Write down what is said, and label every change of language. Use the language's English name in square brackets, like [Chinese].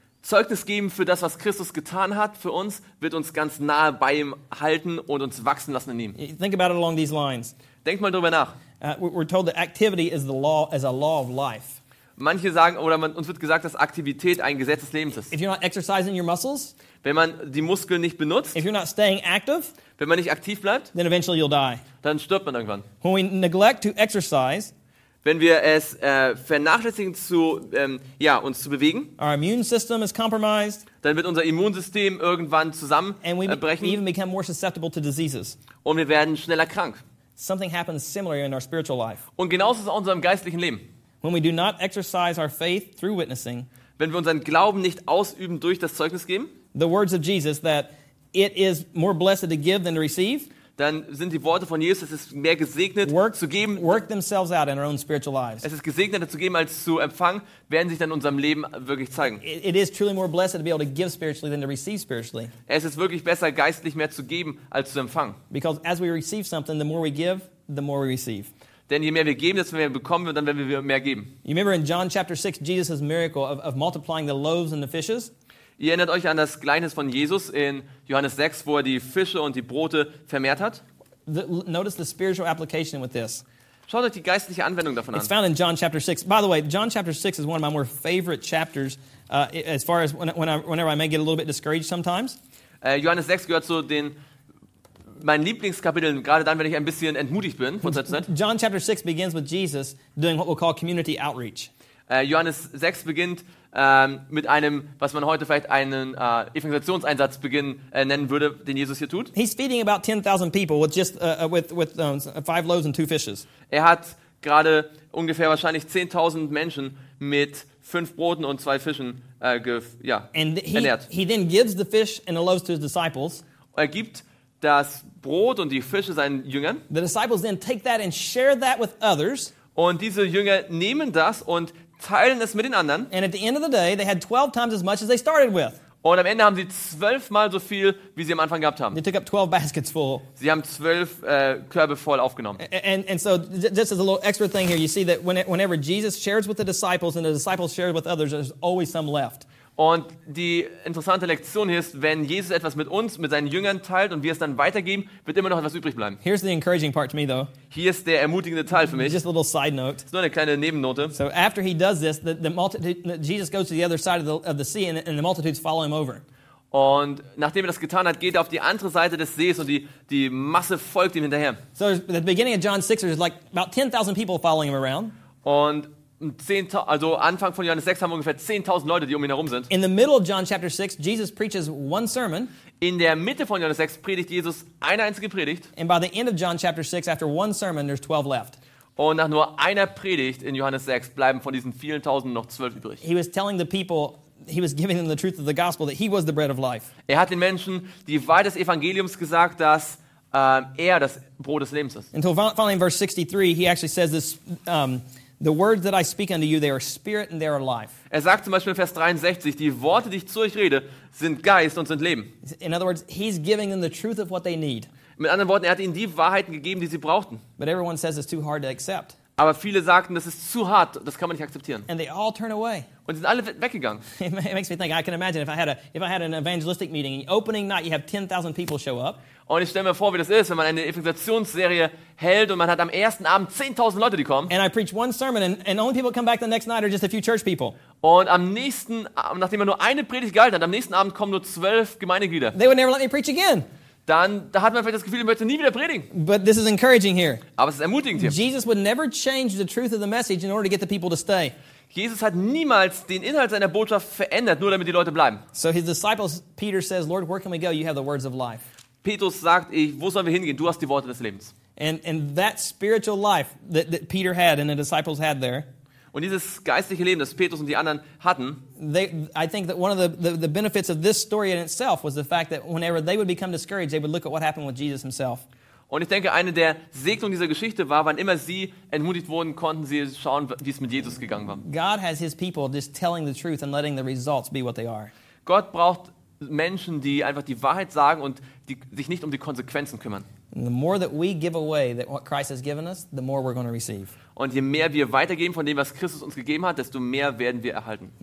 [German] Zeugnis geben für das, was Christus getan hat für uns, wird uns ganz nahe bei ihm halten und uns wachsen lassen in ihm. [English] Think about it along these lines. [German] Denk mal drüber nach. [English] We're told that activity is a law of life. [German] Manche sagen, oder uns wird gesagt, dass Aktivität ein Gesetz des Lebens ist. [English] If you're not exercising your muscles, [German] wenn man die Muskeln nicht benutzt, [English] if you're not staying active, [German] wenn man nicht aktiv bleibt, [English] then eventually you'll die. [German] Dann stirbt man irgendwann. [English] When we neglect to exercise, [German] wenn wir es vernachlässigen, zu, uns zu bewegen, [English] our immune system is compromised, [German] dann wird unser Immunsystem irgendwann zusammenbrechen, [English] and we even become more susceptible to diseases. [German] Und wir werden schneller krank. [English] Something happens similarly in our spiritual life. [German] Und genauso ist es auch in unserem geistlichen Leben. [English] When we do not exercise our faith through witnessing, [German] wenn wir unseren Glauben nicht ausüben durch das Zeugnis geben, [English] the words of Jesus that it is more blessed to give than to receive, [German] dann sind die Worte von Jesus, es ist mehr gesegnet zu geben, [English] work themselves out in our own spiritual lives. [German] Es ist gesegneter zu geben als zu empfangen, werden sich dann in unserem Leben wirklich zeigen. [English] It is truly more blessed to be able to give spiritually than to receive spiritually. [German] Es ist wirklich besser geistlich mehr zu geben als zu empfangen. [English] Because as we receive something, the more we give, the more we receive. [German] Denn je mehr wir geben, desto mehr bekommen wir, dann werden wir mehr geben. [English] You remember in John chapter 6 Jesus' miracle of multiplying the loaves and the fishes? [German] Ihr erinnert euch an das Gleichnis von Jesus in Johannes 6, wo er die Fische und die Brote vermehrt hat. [English] Notice the spiritual application with this. [German] Schaut euch die geistliche Anwendung davon an. [English] It's found in John chapter 6. By the way, John chapter 6 is one of my more favorite chapters as far as whenever I may get a little bit discouraged sometimes. [German] Johannes 6 gehört zu den meinen Lieblingskapiteln, gerade dann, wenn ich ein bisschen entmutigt bin. [English] John chapter 6 begins with Jesus doing what we'll call community outreach. [German] Johannes 6 beginnt mit einem, was man heute vielleicht einen Evangelisationseinsatz nennen würde, den Jesus hier tut. [English] He's feeding about 10,000 people with just five loaves and two fishes. [German] Er hat gerade ungefähr wahrscheinlich 10,000 Menschen mit fünf Broten und zwei Fischen ernährt. [English] He then gives the fish and the loaves to his disciples. [German] Er gibt das Brot und die Fische seinen Jüngern. [English] The disciples then take that and share that with others. [German] Und diese Jünger nehmen das und teilen es mit den anderen. [English] And at the end of the day, they had 12 times as much as they started with. [German] Und am Ende haben sie 12 mal so viel, wie sie am Anfang gehabt haben. [English] They took up 12 baskets full. [German] Sie haben 12 Körbe voll aufgenommen. [English] And so this is a little extra thing here. You see that whenever Jesus shares with the disciples and the disciples share with others, there's always some left. [German] Und die interessante Lektion hier ist, wenn Jesus etwas mit uns, mit seinen Jüngern teilt und wir es dann weitergeben, wird immer noch etwas übrig bleiben. [English] Here's the encouraging part to me, though. [German] Hier ist der ermutigende Teil für mich. [English] Just a little side note. [German] Ist nur eine kleine Nebennote. [English] So after he does this, Jesus goes to the other side of the sea and the multitudes follow him over. [German] Und nachdem er das getan hat, geht er auf die andere Seite des Sees und die Masse folgt ihm hinterher. [English] So at the beginning of John 6, there's like about 10,000 people following him around. [German] Und also Anfang von Johannes 6 haben wir ungefähr 10,000 Leute, die um ihn herum sind. [English] In the middle of John chapter 6, Jesus preaches one sermon. [German] In der Mitte von Johannes 6 predigt Jesus eine einzige Predigt. [English] And by the end of John chapter 6, after one sermon, there's 12 left. [German] Und nach nur einer Predigt in Johannes 6 bleiben von diesen vielen Tausend noch 12 übrig. [English] He was telling the people, he was giving them the truth of the gospel, that he was the bread of life. [German] Er hat den Menschen die Wahrheit des Evangeliums gesagt, dass er das Brot des Lebens ist. [English] Until finally in verse 63, he actually says this, the words that I speak unto you, they are spirit and they are life. [German] Er sagt zum Beispiel in Vers 63, die Worte, die ich zu euch rede, sind Geist und sind Leben. [English] In other words, he's giving them the truth of what they need. [German] Mit anderen Worten, er hat ihnen die Wahrheiten gegeben, die sie brauchten. [English] But everyone says it's too hard to accept. [German] Aber viele sagten, das ist zu hart, das kann man nicht akzeptieren. [English] And they all turn away. [German] Und sie sind alle weggegangen. [English] It makes me think, I can imagine if I had an evangelistic meeting, opening night you have 10,000 people show up. [German] Und ich stelle mir vor, wie das ist, wenn man eine Evangelisationsserie hält und man hat am ersten Abend 10,000 Leute, die kommen. [English] And I preach one sermon and only people come back the next night are just a few church people. [German] Und am nächsten, nachdem man nur eine Predigt gehalten hat, am nächsten Abend kommen nur 12 Gemeindeglieder. [English] They would never let me preach again. [German] Dann da hat man vielleicht das Gefühl, man möchte nie wieder predigen. [English] But this is encouraging here. [German] Aber es ist ermutigend hier. [English] Jesus would never change the truth of the message in order to get the people to stay. [German] Jesus hat niemals den Inhalt seiner Botschaft verändert, nur damit die Leute bleiben. [English] So his disciples Peter says, Lord, where can we go? You have the words of life. [German] Petrus sagt, wo sollen wir hingehen? Du hast die Worte des Lebens. [English] And that spiritual life that Peter had and the disciples had there. [German] Und dieses geistliche Leben, das Petrus und die anderen hatten. [English] I think that one of the benefits of this story in itself was the fact that whenever they would become discouraged, they would look at what happened with Jesus himself. [German] Und ich denke, eine der Segnungen dieser Geschichte war, wann immer sie entmutigt wurden, konnten sie schauen, wie es mit Jesus gegangen war. [English] God has his people just telling the truth and letting the results be what they are. [German] Gott braucht Menschen, die einfach die Wahrheit sagen und die sich nicht um die Konsequenzen kümmern. [English] The more that we give away that what Christ has given us, the more we're going to receive. [German] Und je mehr wir weitergeben von dem, was Christus uns gegeben hat, desto mehr werden wir erhalten.